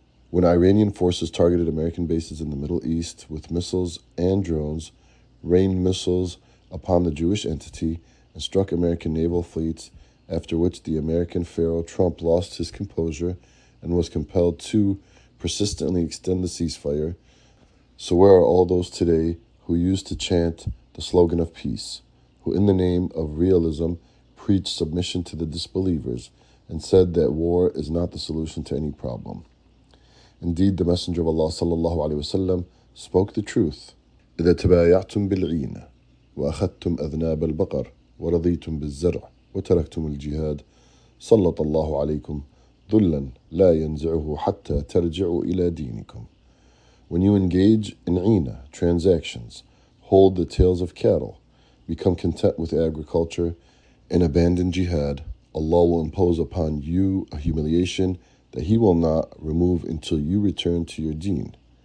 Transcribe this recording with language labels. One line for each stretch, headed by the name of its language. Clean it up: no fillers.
English: When Iranian forces targeted American bases in the Middle East with missiles and drones, rained missiles upon the Jewish entity, and struck American naval fleets, after which the American pharaoh Trump lost his composure and was compelled to persistently extend the ceasefire, so where are all those today who used to chant the slogan of peace, who in the name of realism preached submission to the disbelievers and said that war is not the solution to any problem? Indeed, the Messenger of Allah sallallahu alaihi wasallam spoke the truth.
Arabic: إذا تبايعتم بالعين وأخذتم أذناب البقر ورضيتم بالزرع وتركتم الجهاد سلط الله عليكم ذلا لا ينزعه حتى ترجعوا إلى دينكم.
English: When you engage in ina, transactions, hold the tails of cattle, become content with agriculture, and abandon jihad, Allah will impose upon you a humiliation that He will not remove until you return to your deen.